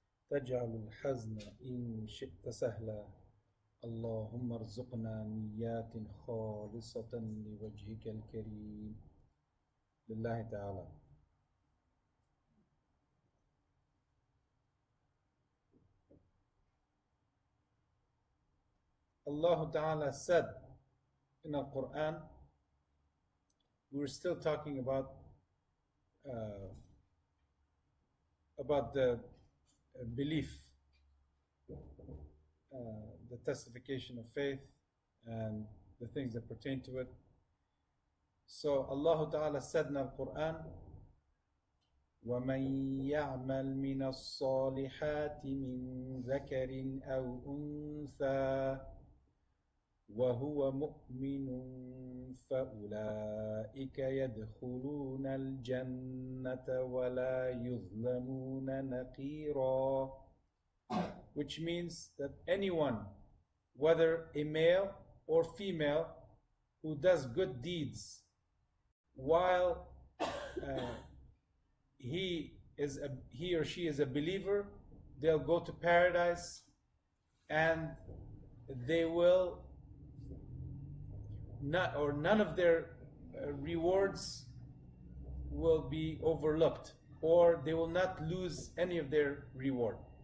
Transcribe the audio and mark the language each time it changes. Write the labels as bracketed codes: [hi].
[ar] تجعل الحزن إن شئت سهلا اللهم ارزقنا نيات خالصة لوجهك الكريم لله تعالى الله تعالى [en] said in the Quran. We were still talking about the belief, the testification of faith, and the things that pertain to it. So Allah Ta'ala said in the Quran, [ar] وَمَنْ يَعْمَلْ مِنَ الصَّالِحَاتِ مِنْ ذَكَرٍ أَوْ أُنْثَى وَهُوَ مُؤْمِنٌ فَأُولَٰئِكَ يَدْخُلُونَ الْجَنَّةَ وَلَا يُظْلَمُونَ نَقِيرًا. [en] Which means that anyone, whether a male or female, who does good deeds while he or she is a believer, they'll go to paradise and they will not, or none of their rewards will be overlooked, or they will not lose any of their reward.